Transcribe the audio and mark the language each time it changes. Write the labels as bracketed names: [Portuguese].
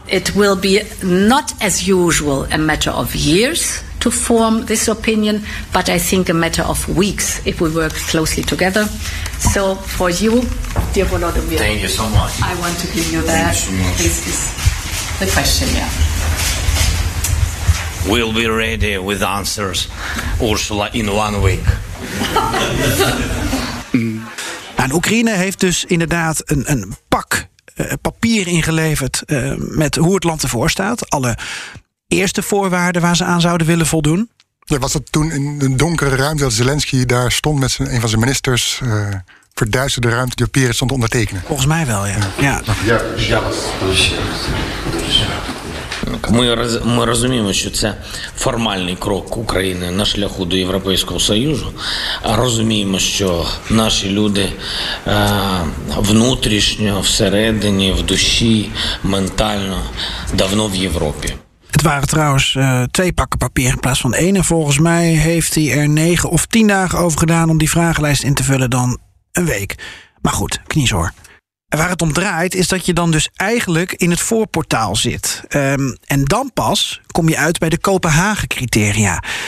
[English] It will be not as usual a matter of years to form this opinion, but I think a matter of weeks if we work closely together. So for you, dear Volodymyr, thank you so much. I want to give you that. Thank you so much. This is the question, yeah. We'll be ready with answers, Ursula, in 1 week. [Dutch] En Oekraïne heeft dus inderdaad een pak papier ingeleverd met hoe het land ervoor staat. Alle eerste voorwaarden waar ze aan zouden willen voldoen. Ja, was dat toen in een donkere ruimte dat Zelensky daar stond met een van zijn ministers, verduisterde ruimte die papieren stond te ondertekenen? Volgens mij wel, ja. Ja, ja. Ja. [Ukrainian] Ми розуміємо, що це формальний крок України на шляху до Європейського Союзу. Розуміємо, що наші люди внутрішньо, всередині, в душі, ментально давно в Європі. [Dutch] Het waren trouwens 2 pakken papier in plaats van 1. En volgens mij heeft hij er 9 of 10 dagen over gedaan om die vragenlijst in te vullen dan een week. Maar goed, kniezoor. En waar het om draait is dat je dan dus eigenlijk in het voorportaal zit. En dan pas kom je uit bij de Kopenhagen-criteria.